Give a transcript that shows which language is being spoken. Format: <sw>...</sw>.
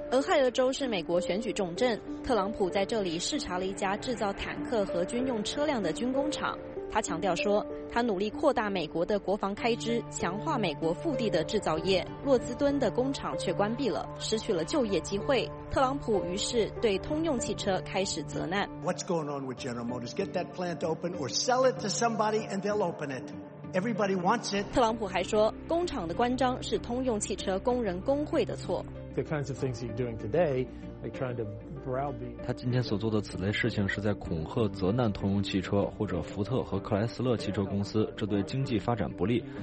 <zh>俄亥俄州是美国选举重镇，特朗普在这里视察了一家制造坦克和军用车辆的军工厂。他强调说，他努力扩大美国的国防开支，强化美国腹地的制造业。洛兹敦的工厂却关闭了，失去了就业机会。特朗普于是对通用汽车开始责难。</zh> <en>What's going on with General Motors? Get that plant open or sell it to somebody and they'll open it. Everybody wants it.</en> <zh>特朗普还说，工厂的关张是通用汽车工人工会的错。</zh> <en>The kinds of things you're doing today, like trying to browbeat.</en> <zh>他今天所做的此类事情是在恐吓、责难通用汽车或者福特和克莱斯勒汽车公司，这对经济发展不利。</zh>